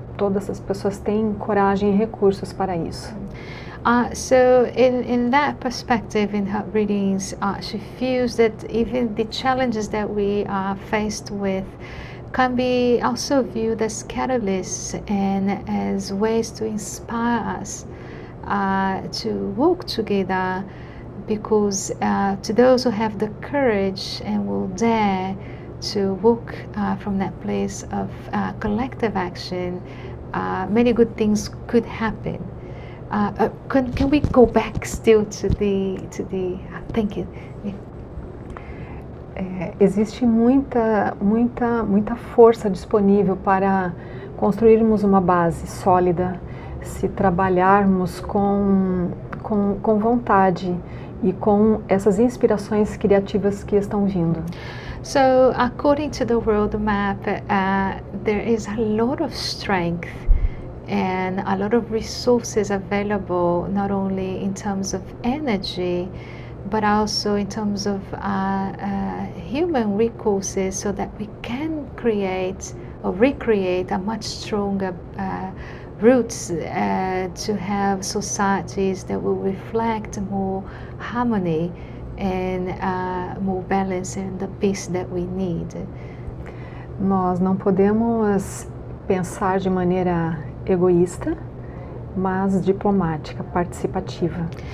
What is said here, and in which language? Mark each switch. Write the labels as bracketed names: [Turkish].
[Portuguese] Todas as pessoas têm coragem e recursos para isso. [English] So in that perspective, in her readings, she feels that even the challenges that we are faced with can be also viewed as catalysts and as ways to inspire us to work together, because to those who have the courage and will dare to work from that place of collective action, many good things could happen. Can we go back still to the thinking? [Portuguese] Existe muita força disponível para construirmos uma base sólida se trabalharmos com vontade e com essas inspirações criativas que estão vindo. [English] So, according to the world map, there is a lot of strength and a lot of resources available, not only in terms of energy, but also in terms of human resources, so that we can create or recreate a much stronger roots to have societies that will reflect more harmony and more balance and the peace that we need. [Portuguese] Nós não podemos pensar de maneira egoísta, mas diplomática, participativa.